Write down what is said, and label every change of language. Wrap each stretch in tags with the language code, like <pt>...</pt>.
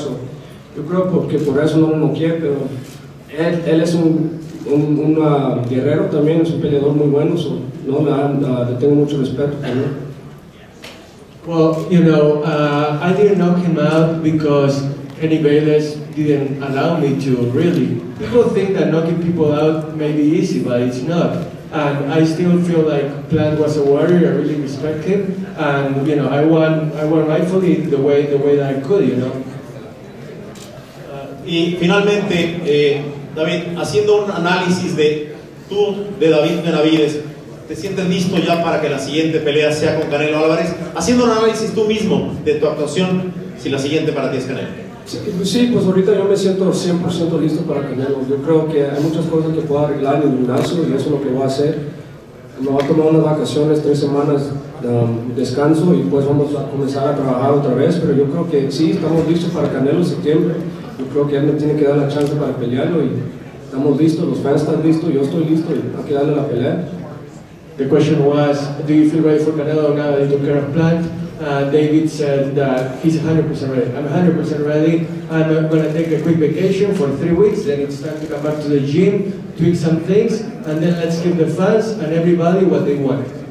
<es>So, yo creo que por eso no lo quiere, pero él es un guerrero también, es un peleador muy bueno, so, no, le tengo mucho respeto por él.</es> <en>Well, you know, I didn't knock him out because Kenny Bayless didn't allow me to, really. People think that knocking people out may be easy, but it's not. And I still feel like Plant was a warrior, I really respect him. And, you know, I won rightfully the way that I could, you know.</en> <es>Y finalmente, David, haciendo un análisis de tú, de David Benavidez, ¿te sientes listo ya para que la siguiente pelea sea con Canelo Álvarez? Haciendo un análisis tú mismo de tu actuación, si la siguiente para ti es Canelo. Sí, pues ahorita yo me siento 100% listo para Canelo. Yo creo que hay muchas cosas que puedo arreglar en el gimnasio y eso es lo que voy a hacer. Me voy a tomar unas vacaciones, 3 semanas de descanso y pues vamos a comenzar a trabajar otra vez. Pero yo creo que sí, estamos listos para Canelo en septiembre. Yo creo que él me tiene que dar la chance para pelearlo y estamos listos, los fans están listos, yo estoy listo y hay que darle la pelea.</es> <en>The question was, do you feel ready for Canelo now that you're kind of planned? David said that he's 100% ready. I'm 100% ready. I'm gonna take a quick vacation for 3 weeks, then it's time to come back to the gym, tweak some things, and then let's give the fans and everybody what they want.</en>